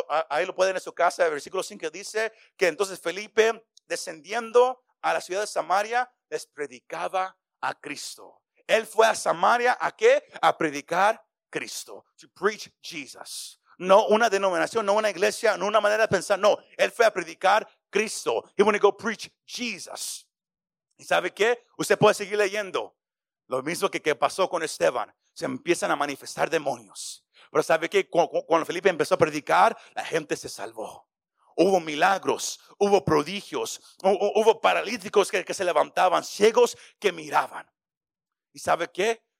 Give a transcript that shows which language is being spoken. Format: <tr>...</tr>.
<es>Ahí lo pueden en su casa, el versículo 5 dice que entonces Felipe, descendiendo a la ciudad de Samaria, les predicaba a Cristo. Él fue a Samaria, ¿a qué? A predicar Cristo.</es> <en>To preach Jesus.</en> <es>No una denominación, no una iglesia, no una manera de pensar. No, él fue a predicar Cristo.</es> <en>He wanted to go preach Jesus.</en> <es>¿Y sabe qué? Usted puede seguir leyendo. Lo mismo que pasó con Esteban. Se empiezan a manifestar demonios. Pero ¿sabe qué? Cuando Felipe empezó a predicar, la gente se salvó. Hubo milagros, hubo prodigios, hubo paralíticos que se levantaban, ciegos que miraban. ¿Y sabe qué?</es>